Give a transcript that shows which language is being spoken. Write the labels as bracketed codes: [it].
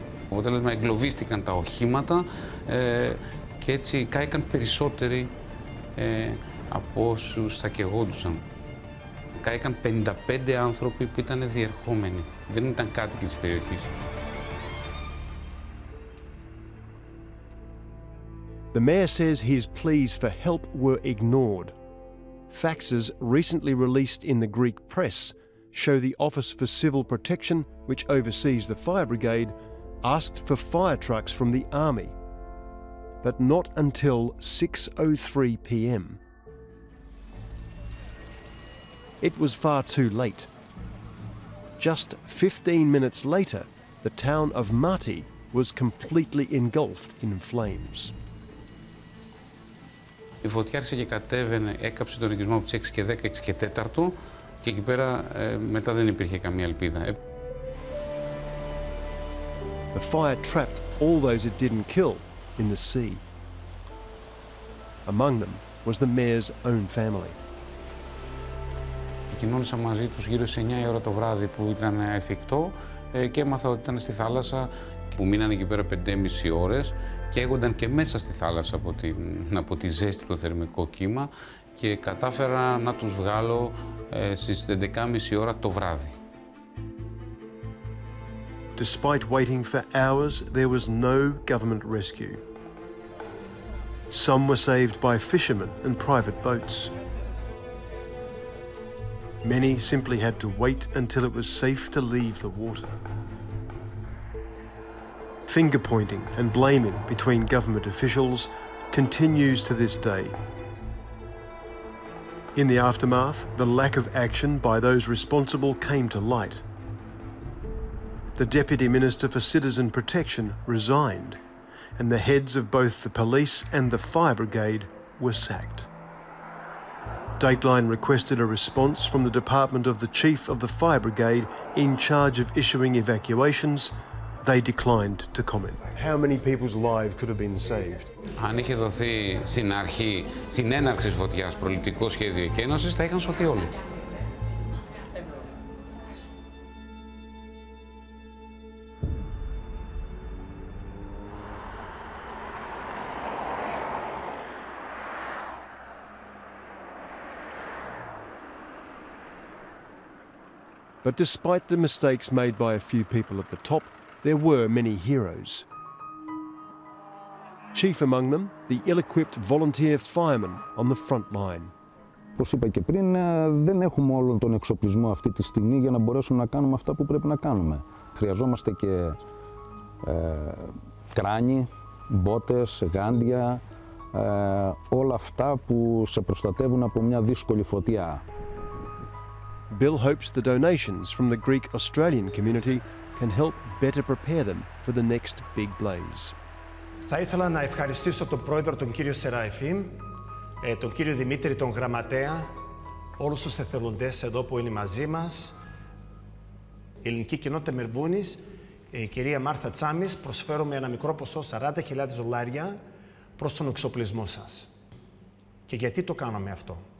[el] Αποτέλεσμα, εγκλωβίστηκαν τα οχήματα και έτσι κάηκαν περισσότεροι από όσους θα καιγόντουσαν. Κάηκαν 55 άνθρωποι που ήταν διερχόμενοι. Δεν ήταν κάτοικοι της περιοχής. [en] The mayor says his pleas for help were ignored. Faxes recently released in the Greek press show the Office for Civil Protection, which oversees the fire brigade, asked for fire trucks from the army, but not until 6:03 p.m. It was far too late. Just 15 minutes later, the town of Marty was completely engulfed in flames. [el] Η φωτιά άρχισε και κατέβαινε, έκαψε τον οικισμό από τις 6 και 10, 6 και 4 και εκεί πέρα μετά δεν υπήρχε καμία ελπίδα. [en] The fire trapped all those it didn't kill in the sea. Among them was the mayor's own family. [el] Επικοινώνησα μαζί τους γύρω σε 9 η ώρα το βράδυ που ήταν εφικτό και έμαθα ότι ήταν στη θάλασσα που μείνανε εκεί πέρα 5,5 ώρες. Καίγονταν και μέσα στη θάλασσα από τη ζέστη το θερμικό κύμα και κατάφερα να τους βγάλω στις 11:30 ώρα το βράδυ. [en] Despite waiting for hours, there was no government rescue. Some were saved by fishermen and private boats. Many simply had to wait until it was safe to leave the water. Finger-pointing and blaming between government officials continues to this day. In the aftermath, the lack of action by those responsible came to light. The Deputy Minister for Citizen Protection resigned, and the heads of both the police and the fire brigade were sacked. Dateline requested a response from the Department of the Chief of the Fire Brigade in charge of issuing evacuations. They declined to comment. How many people's lives could have been saved? [el] Αν είχε δοθεί στην αρχή, στην έναρξη φωτιάς, προληπτικό σχέδιο εκένωσης, θα είχαν σωθεί όλοι. [en] But despite the mistakes made by a few people at the top, there were many heroes. Chief among them, the ill-equipped volunteer fireman on the front line. [el] Όπως είπα και πριν, δεν έχουμε όλο τον εξοπλισμό αυτή τη στιγμή για να μπορέσουμε να κάνουμε αυτά που πρέπει να κάνουμε. Χρειαζόμαστε και κράνη, μπότες, γάντια, όλα αυτά που σε προστατεύουν από μια δύσκολη φωτιά. [en] Bill hopes the donations from the Greek-Australian community can help better prepare them for the next big blaze. [el] Θα ήθελα να ευχαριστήσω τον πρόεδρο τον κύριο Σεραϊφίμ, τον κύριο Δημήτρη τον γραμματέα, όλους τους εθελοντές εδώ που είναι μαζί μας, η ελληνική κοινότητα Μελβούνης, η κυρία Μάρθα Τσάμις, προσφέρουμε ένα μικρό ποσό, 40.000 δολάρια, προς τον εξοπλισμό σας. Και γιατί το κάνουμε αυτό?